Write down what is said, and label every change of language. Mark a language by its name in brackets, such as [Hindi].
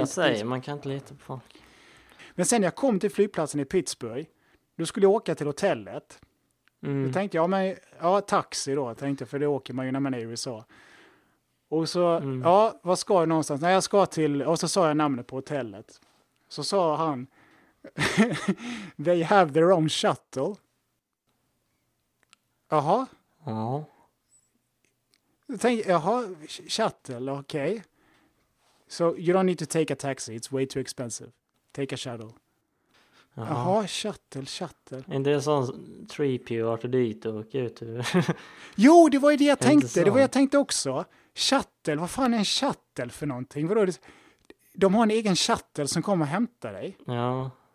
[Swedish] Jag säger, man kan inte lita på folk. Men sen jag kom till flygplatsen i Pittsburgh, då skulle jag åka till hotellet. Då tänkte jag, men, ja, taxi då, tänkte jag, för det åker man ju när man är i USA. Och så, ja, vad ska jag någonstans? Nej, jag ska till, och så sa jag namnet på hotellet. Så sa han, [English] they have their own shuttle. [Swedish] Jaha. Ja. Jag tänkte, jaha, shuttle, okej. [English] Okay. So you don't need to take a taxi, it's way too expensive. Take a shuttle. [Swedish] Jaha, [English] shuttle. [Swedish] Är det en sån 3PO art och dit och ut? Jo, det var ju det jag tänkte. Det var jag tänkte också. Shuttle, vad fan är en shuttle för någonting? Vadå? De har en egen shuttle som kommer och hämtar dig. Ja.